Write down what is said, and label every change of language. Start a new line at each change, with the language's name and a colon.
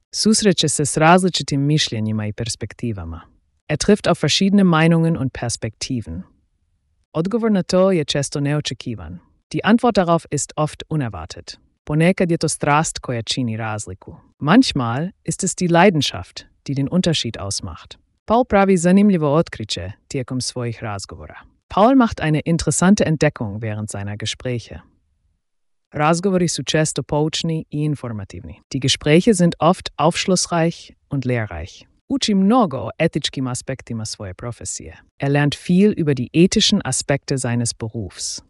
Croatian: Susreće se s različitim mišljenjima i perspektivama.
German: Er trifft auf verschiedene Meinungen und Perspektiven.
Croatian: Odgovor na to je često neočekivan.
German: Die Antwort darauf ist oft unerwartet.
Croatian: Ponekad je to strast koja čini razliku.
German: Manchmal ist es die Leidenschaft, die den Unterschied ausmacht.
Croatian: Paul pravi zanimljivo otkriće tijekom svojih razgovora.
German: Paul macht eine interessante Entdeckung während seiner Gespräche.
Croatian: Razgovori su često poučni i informativni.
German: Die Gespräche sind oft aufschlussreich und lehrreich.
Croatian: Uči mnogo o etičkim aspektima svoje profesije.
German: Er lernt viel über die ethischen Aspekte seines Berufs.